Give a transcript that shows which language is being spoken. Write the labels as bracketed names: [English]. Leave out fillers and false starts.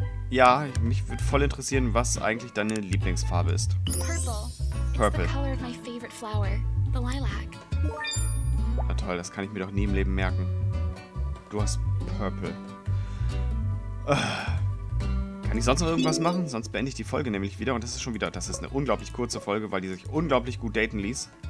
[German] Ja, mich würde voll interessieren, was eigentlich deine Lieblingsfarbe ist. [English] Purple. It's the color of my favorite flower, the lilac. [German] Na toll, das kann ich mir doch nie im Leben merken. Du hast Purple. Kann ich sonst noch irgendwas machen? Sonst beende ich die Folge nämlich wieder. Und das ist eine unglaublich kurze Folge, weil die sich unglaublich gut daten ließ.